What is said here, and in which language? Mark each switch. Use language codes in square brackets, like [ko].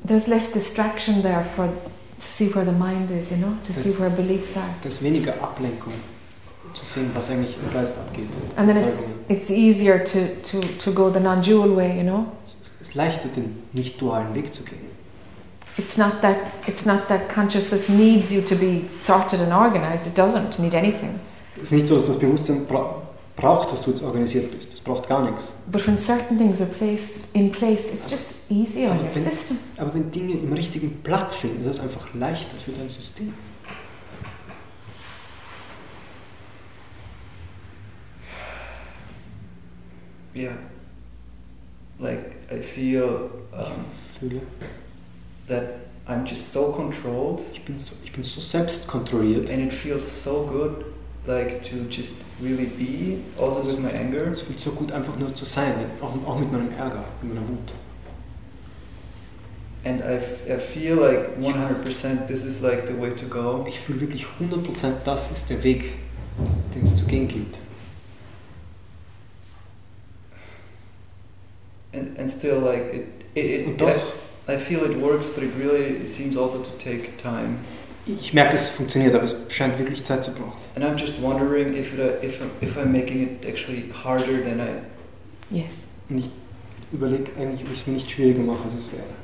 [en] There's less distraction there for to see where the mind is, you know, to see where beliefs are. [de] Da ist weniger Ablenkung, zu sehen, was eigentlich im Geist abgeht. [en] And then it's easier to go the non-dual way, you know. [de] Es ist leichter, den nicht-dualen Weg zu gehen. [en] It's not that consciousness needs you to be sorted and organized. It doesn't need anything. [de] Es ist nicht so, dass das Bewusstsein braucht, dass du jetzt organisiert bist. Das braucht gar nichts. [en] But when certain things are placed in place, it's just easier on your system. [de] Aber wenn Dinge im richtigen Platz sind, ist es einfach leichter für dein System. [en] Yeah. Like I feel that I'm just so controlled. [de] Ich bin so selbstkontrolliert. [en] And it feels so good, like to just really be, also with my anger. [de] Es fühlt so gut, einfach nur zu sein, auch mit meinem Ärger, mit meiner Wut. [en] And I feel like 100% this is like the way to go. [de] Ich fühle wirklich 100%, das ist der Weg, den es zu gehen gilt. [en] And still, like it I feel it works, but it seems also to take time. [de] Ich merke, es funktioniert, aber es scheint wirklich Zeit zu brauchen. [en] And I'm just wondering if I'm making it actually harder than I. Yes. [de] Und ich überlege eigentlich, ob ich es mir nicht schwieriger mache, als es wäre.